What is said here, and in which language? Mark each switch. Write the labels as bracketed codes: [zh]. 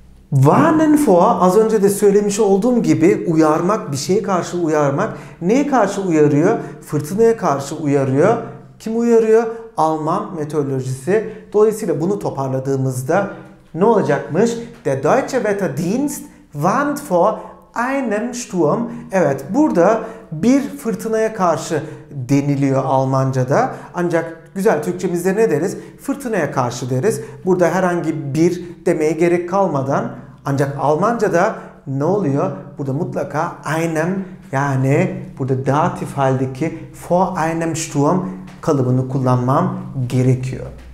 [tr] Warnen vor, az önce de söylemiş olduğum gibi uyarmak, bir şeye karşı uyarmak. Neye karşı uyarıyor? Fırtınaya karşı uyarıyor. Kim uyarıyor? Alman meteorolojisi. Dolayısıyla bunu toparladığımızda ne olacakmış? [de] Der Deutsche Wetterdienst warnt vor einem Sturm. [tr] Evet, burada bir fırtınaya karşı deniliyor Almanca'da. Ancak güzel Türkçemizde ne deriz? Fırtınaya karşı deriz. Burada herhangi bir demeye gerek kalmadan, ancak Almanca'da ne oluyor? Burada mutlaka einem, yani burada datif haldeki [de] vor einem Sturm [tr] kalıbını kullanmam gerekiyor.